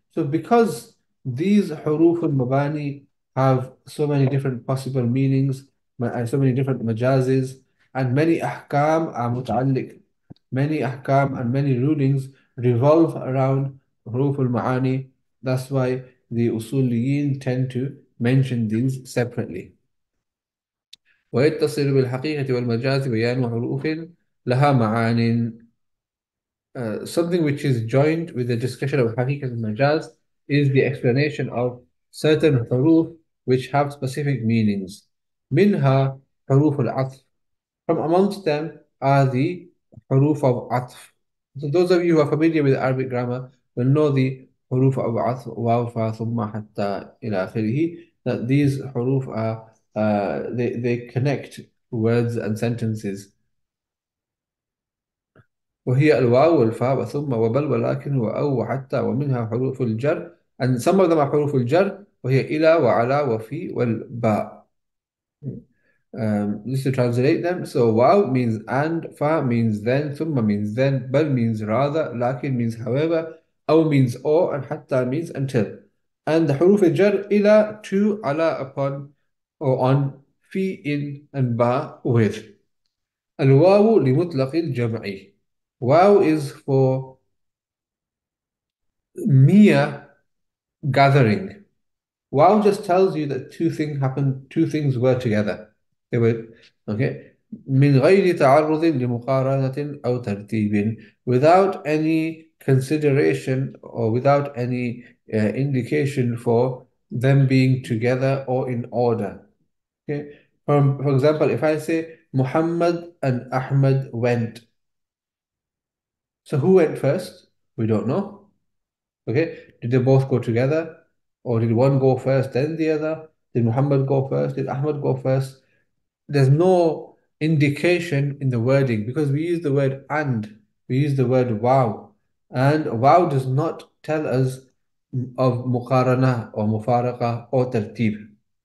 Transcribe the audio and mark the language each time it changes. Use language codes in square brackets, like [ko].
[en] So because these حروف المباني have so many different possible meanings, so many different majazis, and many أحكام are متعلق, many أحكام and many rulings revolve around حروف المعاني. That's why the أصوليين tend to mention these separately. [ar] ويتصل بالحقيقة والمجاز بيان حروف لها معان. [en] Something which is joined with the discussion of حقيقة المجاز is the explanation of certain حروف which have specific meanings. [ar] منها حروف العطف. [en] From amongst them are the حروف of عطف. So those of you who are familiar with Arabic grammar will know the حروف of عطف, [ar] واو فا ثم حتى إلى آخره. [en] That these حروف are they connect words and sentences. [ar] وهي الواو والفاء وثم وبل ولكن وأو وحتى ومنها حروف الجر. [en] And some of them are [ar] حروف الجر, وهي إلى وعلى وفي والباء. [en] Just to translate them, so واو means and, فا means then, ثم means then, بل means rather, لكن means however, أو means or, and حتى means until. And the حروف الجر إلى, to, على, upon, or on, في, in, and ba, with. [ar] الواو لمطلق الجمع. [en] واو is for mere gathering. واو just tells you that two things happened, two things were together. They were, okay? [ar] من غير تعرض لمقارنة أو ترتيب. [en] Without any consideration or without any indication for them being together or in order. Okay? For example, if I say Muhammad and Ahmed went. So who went first? We don't know. Okay? Did they both go together? Or did one go first, then the other? Did Muhammad go first? Did Ahmed go first? There's no indication in the wording because we use the word and, we use the word wow. And wow does not tell us of مقارنة or مفارقة or ترتيب.